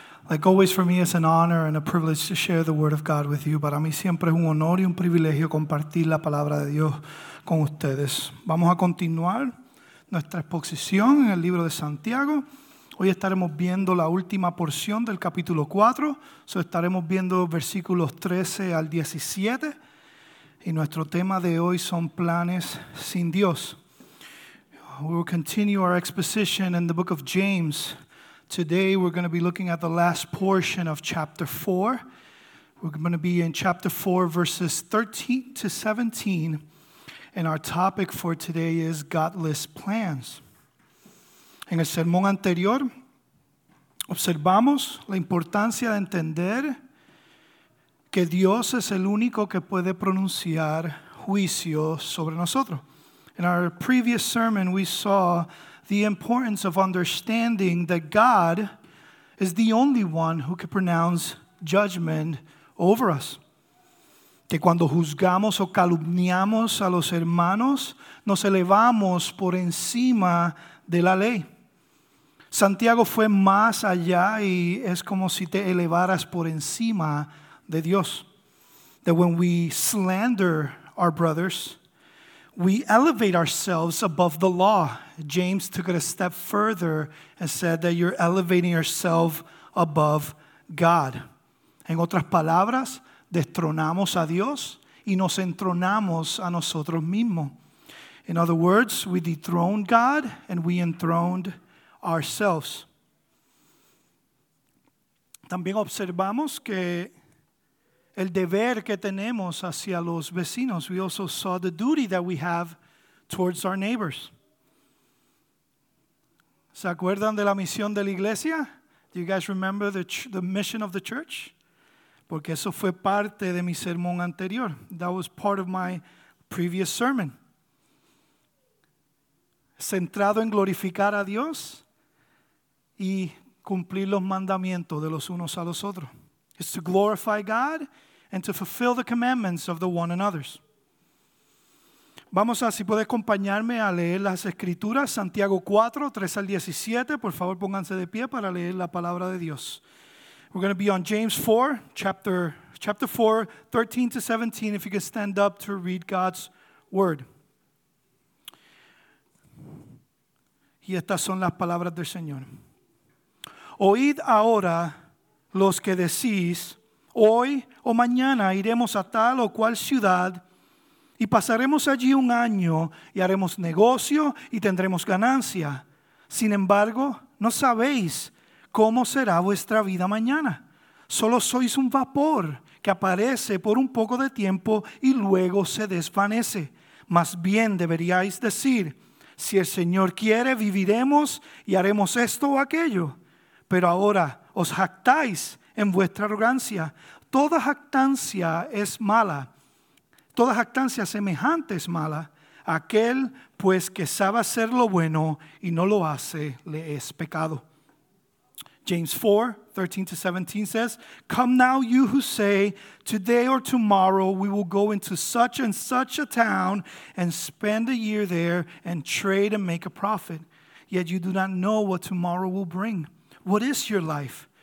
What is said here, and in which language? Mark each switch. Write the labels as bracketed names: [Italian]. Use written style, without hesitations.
[English] Like always, for me, it's an honor and a privilege to share the word of God with you. [Spanish] Para mí siempre es un honor y un privilegio compartir la palabra de Dios con ustedes. Vamos a continuar nuestra exposición en el libro de Santiago. Hoy estaremos viendo la última porción del capítulo 4. So estaremos viendo versículos 13 al 17. Y nuestro tema de hoy son planes sin Dios. [English] We will continue our exposition in the book of James. Today we're going to be looking at the last portion of chapter 4. We're going to be in chapter 4, verses 13 to 17. And our topic for today is godless plans. [Spanish] En el sermón anterior, observamos la importancia de entender que Dios es el único que puede pronunciar juicio sobre nosotros. [English] In our previous sermon, we saw the importance of understanding that God is the only one who can pronounce judgment over us. [Spanish] Que cuando juzgamos o calumniamos a los hermanos, nos elevamos por encima de la ley. Santiago fue más allá y es como si te elevaras por encima de Dios. [English] That when we slander our brothers, we elevate ourselves above the law. James took it a step further and said that you're elevating yourself above God. [Spanish] En otras palabras, destronamos a Dios y nos entronamos a nosotros mismos. [English] In other words, we dethroned God and we enthroned ourselves. [Spanish] También observamos que el deber que tenemos hacia los vecinos. [English] We also saw the duty that we have towards our neighbors. [Spanish] ¿Se acuerdan de la misión de la iglesia? [English] Do you guys remember the mission of the church? [Spanish] Porque eso fue parte de mi sermón anterior. [English] That was part of my previous sermon. [Spanish] Centrado en glorificar a Dios y cumplir los mandamientos de los unos a los otros. [English] It's to glorify God and to fulfill the commandments of the one and others. [Spanish] Vamos a, si puede acompañarme a leer las escrituras, Santiago 4, 3 al 17, por favor pónganse de pie para leer la palabra de Dios. [English] We're going to be on James 4, chapter 4, 13 to 17, if you can stand up to read God's word. [Spanish] Y estas son las palabras del Señor. Oíd ahora los que decís, hoy o mañana iremos a tal o cual ciudad y pasaremos allí un año y haremos negocio y tendremos ganancia. Sin embargo, no sabéis cómo será vuestra vida mañana. Solo sois un vapor que aparece por un poco de tiempo y luego se desvanece. Más bien deberíais decir, si el Señor quiere, viviremos y haremos esto o aquello. Pero ahora os jactáis en vuestra arrogancia. Toda jactancia es mala. Toda jactancia semejante es mala. Aquel, pues, que sabe hacer lo bueno y no lo hace, le es pecado. [English] James 4, 13 to 17 says, come now, you who say, today or tomorrow we will go into such and such a town and spend a year there and trade and make a profit. Yet you do not know what tomorrow will bring. What is your life?